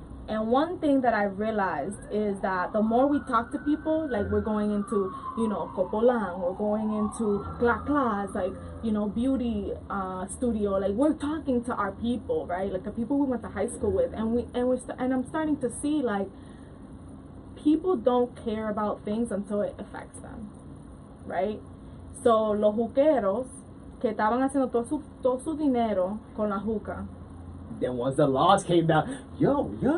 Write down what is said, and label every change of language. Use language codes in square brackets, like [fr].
[en] And one thing that I've realized is that the more we talk to people, like we're going into, you know, Copolan, we're going into Glaclas, like, you know, beauty studio, like we're talking to our people, right? Like the people we went to high school with, and I'm starting to see, like, people don't care about things until it affects them, right? [es] So los juqueros que estaban haciendo todo su dinero con la juca. [en] Then once the laws came down, yo.